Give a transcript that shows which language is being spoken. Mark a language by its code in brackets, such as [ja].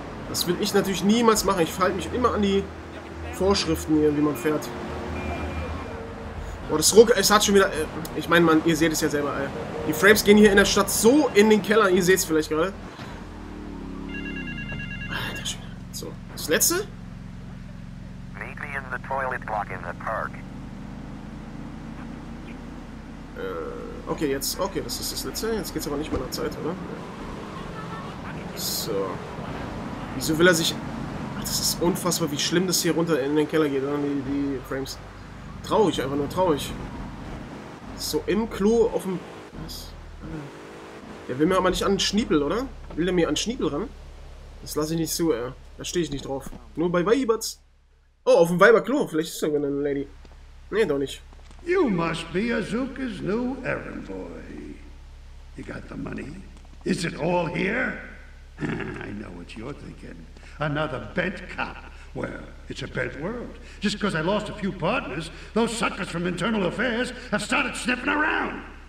[de] Das will ich natürlich niemals machen. Ich halte mich immer an die Vorschriften hier, wie man fährt. Boah, das Ruck, es hat schon wieder. Ich meine, man, ihr seht es ja selber, ey. Die Frames gehen hier in der Stadt so in den Keller. Ihr seht es vielleicht gerade. Alter Schwede. So, das letzte? [en] Meet me in the toilet block in the park. [de] Okay, jetzt. Okay, das ist das letzte. Jetzt geht's aber nicht mehr nach Zeit, oder? So. Wieso will er sich. Ach, das ist unfassbar, wie schlimm das hier runter in den Keller geht, oder? Die Frames. Traurig, einfach nur traurig. So im Klo auf dem. Was? Der will mir aber nicht an den Schniepel, oder? Will der mir an den Schniepel ran? Das lasse ich nicht zu, ey. Da stehe ich nicht drauf. Nur bei Weibers. Oh, auf dem Weiber-Klo. Vielleicht ist da sogar eine Lady. Nee, doch nicht. [en] You must be Azuka's new errand boy. You got the money? Is it all here? I know what you're thinking. Another bent cop. Well, it's a bent world. Just because I lost a few partners, those suckers from internal affairs have started sniffing around.